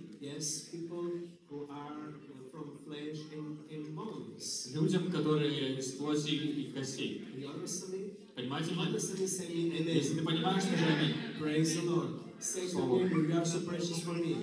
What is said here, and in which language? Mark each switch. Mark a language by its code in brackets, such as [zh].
[en] Yes, people who are from flesh and bones. [ru] Людям, которые из плоти и костей. Понимаете, мать? Если ты понимаешь, скажи аминь. [en] Praise the Lord. Say to me, you are so precious for me.